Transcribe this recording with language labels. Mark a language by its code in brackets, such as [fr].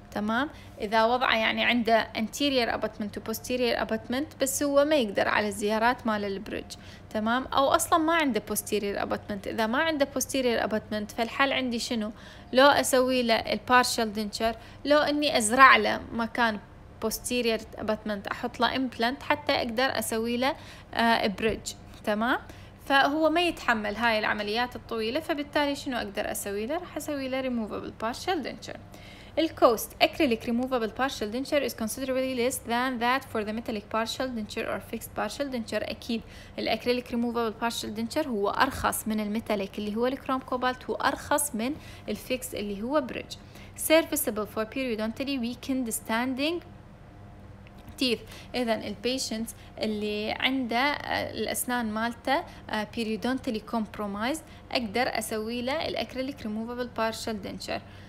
[ar] تمام اذا وضعه يعني عنده anterior abutment و posterior abutment بس هو ما يقدر على الزيارات مال البريدج، تمام او اصلا ما عنده posterior abutment، اذا ما عنده posterior abutment فالحل عندي شنو؟ لو اسوي له البارشل دنتشر، لو اني ازرع له مكان posterior abutment احط له implant حتى اقدر اسوي له بريدج. تمام فهو ما يتحمل هاي العمليات الطويله، فبالتالي شنو اقدر اسوي له؟ راح اسوي له removable partial denture. [en] الكوست acrylic removable partial denture is considerably less than that for the metallic partial denture or fixed partial denture. [ar] اكيد الacrylic removable partial denture هو ارخص من الميتاليك اللي هو الكروم كوبالت، وارخص من الفيكس اللي هو بريدج. [en] serviceable for periodontally weakened standing teeth. [ar] إذا ال patients اللي عنده الأسنان مالته periodontally compromised أقدر أسوي له الأكريليك ريموفابل بارشال دينشر.